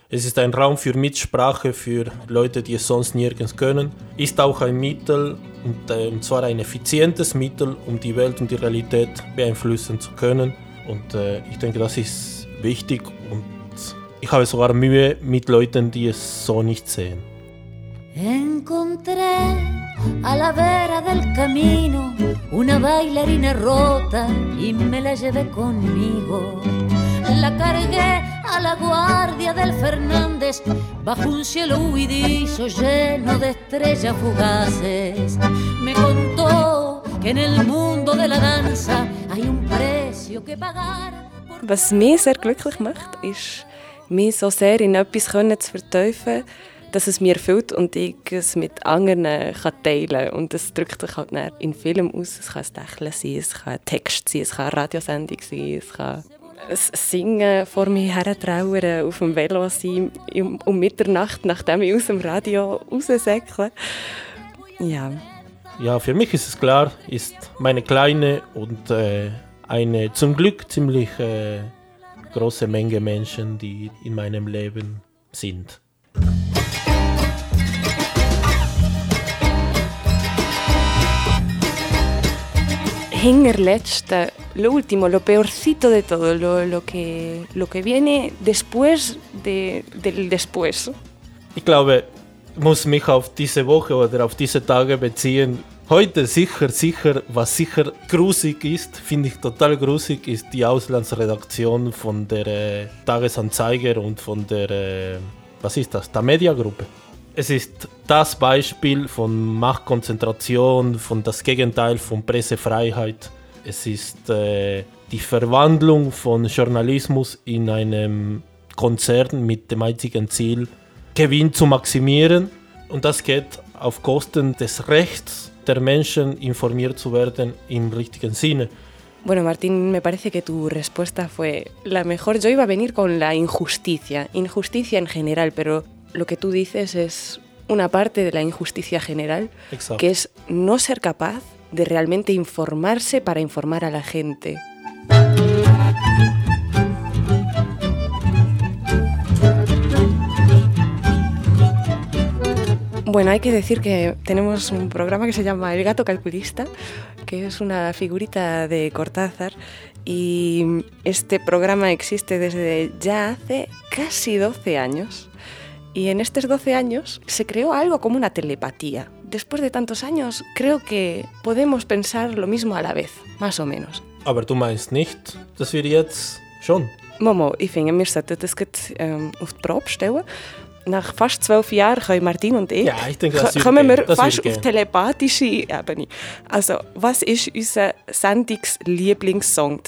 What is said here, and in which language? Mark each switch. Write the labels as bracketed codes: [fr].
[de] Es ist ein Raum für Mitsprache für Leute, die es sonst nirgends können. Ist auch ein Mittel, und zwar ein effizientes Mittel, um die Welt und die Realität beeinflussen zu können. Und ich denke, das ist wichtig und ich habe sogar Mühe mit Leuten, die es so nicht sehen. [es] Encontré a la vera del camino una bailarina rota y me la llevé conmigo. La cargué a la guardia del Fernández bajo un cielo huidizo lleno de estrellas fugaces. Me contó que en el mundo de la danza hay un precio que pagar. [de] Was mich sehr glücklich macht, ist, mich so sehr in etwas zu vertiefen, dass es mir erfüllt und ich es mit anderen kann teilen kann. Und das drückt sich halt dann in Film aus. Es kann ein Lächeln sein, es kann ein Text sein, es kann eine Radiosendung sein, es kann ein Singen vor mir hertrauern, auf dem Velo sein, um Mitternacht, nachdem ich aus dem Radio raussäckle. Ja. Ja, für mich ist es klar, ist meine kleine und eine zum Glück ziemlich große Menge Menschen, die in meinem Leben sind. [es] Hinterletzte, lo último, lo peorcito de todo, lo que viene después del después. [de] Ich glaube, ich muss mich auf diese Woche oder auf diese Tage beziehen. Heute sicher, was sicher grusig ist, finde ich total grusig, ist die Auslandsredaktion von der Tagesanzeiger und von der, was ist das, der Mediagruppe. Es ist das Beispiel von Machtkonzentration, von das Gegenteil von Pressefreiheit. Es ist die Verwandlung von Journalismus in einem Konzern mit dem einzigen Ziel, Gewinn zu maximieren. Und das geht auf Kosten des Rechts der Menschen, informiert zu werden im richtigen Sinne. [es] Bueno, Martín, me parece que tu respuesta fue la mejor. Yo iba a venir con la injusticia, injusticia en general, pero lo que tú dices es una parte de la injusticia general. Exacto. Que es no ser capaz de realmente informarse para informar a la gente. Bueno, hay que decir que tenemos un programa que se llama El gato calculista, que es una figurita de Cortázar, y este programa existe desde ya hace casi 12 años. Y en estos 12 años se creó algo como una telepatía. Después de tantos años, creo que podemos pensar lo mismo a la vez, más o menos. [de] Aber du meinst nicht, dass wir jetzt schon? Momo, ich finde, wir sollten das auf die Probe stellen. Nach fast 12 Jahren können Martin und ich, ja, ich denke, das kommen wir das fast auf telepathische Ebene. Also, was ist unser Sendungs-Lieblingssong?